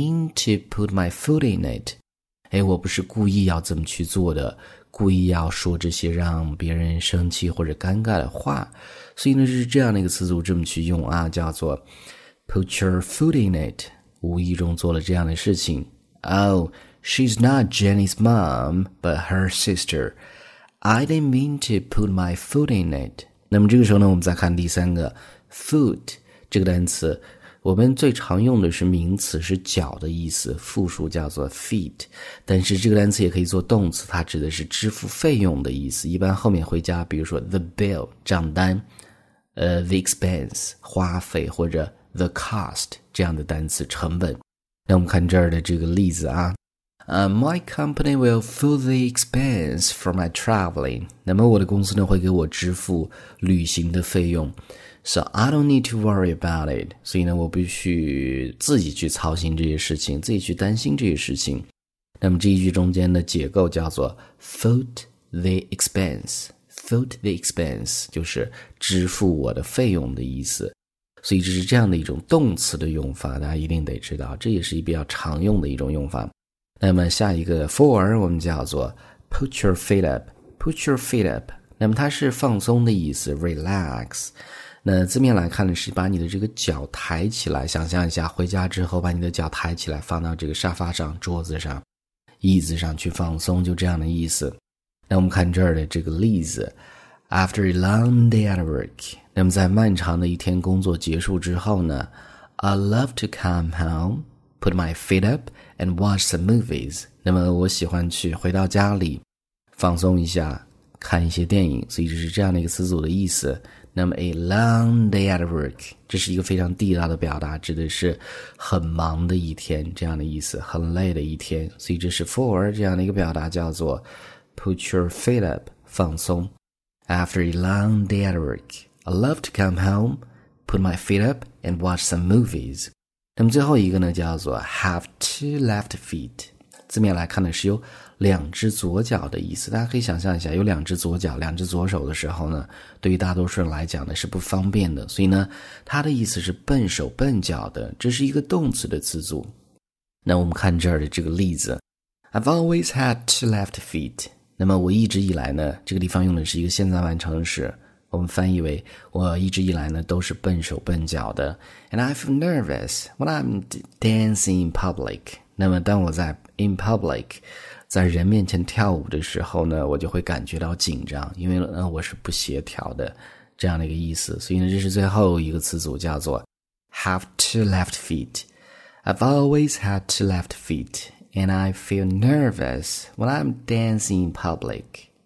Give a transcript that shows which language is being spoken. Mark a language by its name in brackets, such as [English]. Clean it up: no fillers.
[English] I didn't mean to put my foot in it. [Chinese] 哎，我不是故意要这么去做的，故意要说这些让别人生气或者尴尬的话。所以呢，是这样的一个词组，这么去用啊，叫做 [English] Put your foot in it， [Chinese] 无意中做了这样的事情。 [English] Oh, she's not Jenny's mom, but her sister. I didn't mean to put my foot in it。 [Chinese] 那么这个时候呢，我们再看第三个 foot 这个单词，我们最常用的是名词，是脚的意思，复数叫做 feet， 但是这个单词也可以做动词，它指的是支付费用的意思，一般后面会加比如说 the bill 账单，the expense 花费，或者 the cost 这样的单词，成本。那我们看这儿的这个例子啊， [English] my company will foot the expense for my traveling. [Chinese] 那么我的公司呢会给我支付旅行的费用。 [English] So I don't need to worry about it. [Chinese] 所以呢我必须自己去操心这些事情，自己去担心这些事情。那么这一句中间的结构叫做 foot the expense. Foot the expense 就是支付我的费用的意思。所以这是这样的一种动词的用法，大家一定得知道，这也是一比较常用的一种用法。那么下一个 for 我们叫做 [English] put your feet up， [Chinese] 那么它是放松的意思 relax。那字面来看的是把你的这个脚抬起来，想象一下回家之后把你的脚抬起来放到这个沙发上、桌子上、椅子上去放松，就这样的意思。那我们看这儿的这个例子， [English] after a long day at work， [Chinese] 那么在漫长的一天工作结束之后呢， [English] I love to come homePut my feet up and watch some movies. [Chinese] 那么我喜欢去回到家里放松一下，看一些电影。所以这是这样的一个词组的意思。那么 a long day at work， 这是一个非常地道的表达，指的是很忙的一天，这样的意思，很累的一天。所以这是 for 这样的一个表达，叫做 [English] put your feet up， [Chinese] 放松。 [English] After a long day at work， I love to come home， put my feet up and watch some movies。 [Chinese] 那么最后一个呢，叫做 have two left feet， 字面来看呢是有两只左脚的意思，大家可以想象一下，有两只左脚、两只左手的时候呢，对于大多数人来讲呢是不方便的，所以呢它的意思是笨手笨脚的，这是一个动词的词组。那我们看这儿的这个例子， [English] I've always had two left feet， [Chinese] 那么我一直以来呢，这个地方用的是一个现在完成时，我们翻译为我一直以来呢都是笨手笨脚的。 [English] And I feel nervous when I'm dancing in public. [Chinese] 那么当我在 in public 在人面前跳舞的时候呢，我就会感觉到紧张，因为我是不协调的，这样的一个意思。所以呢，这是最后一个词组，叫做 [English] have two left feet. I've always had two left feet, and I feel nervous when I'm dancing in public.